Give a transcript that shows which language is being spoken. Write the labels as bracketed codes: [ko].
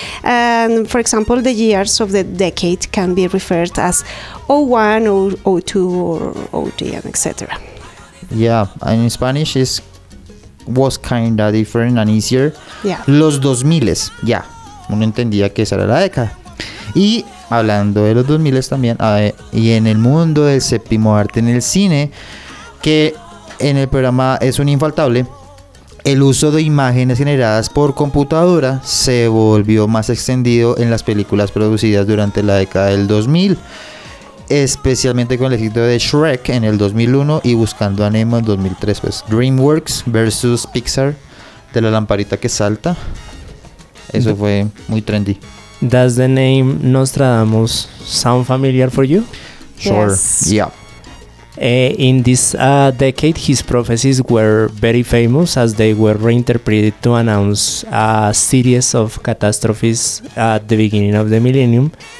[en] And for example, the years of the decade can be referred as 01, 02, or 03, etc. Yeah, and in Spanish it was kind of different and easier. Yeah. [es] Los 2000s, [en] yeah. [es] Uno entendía que esa era la década. Y hablando de los 2000 también, y en el mundo del séptimo arte en el cine, que en el programa es un infaltable, el uso de imágenes generadas por computadora se volvió más extendido en las películas producidas durante la década del 2000, especialmente con el éxito de Shrek en el 2001 y Buscando a Nemo en 2003, pues DreamWorks versus Pixar de la lamparita que salta. Eso fue muy trendy. [en] Does the name Nostradamus sound familiar for you? Sure. Yes. Yeah. In this decade, his prophecies were very famous as they were reinterpreted to announce a series of catastrophes at the beginning of the millennium.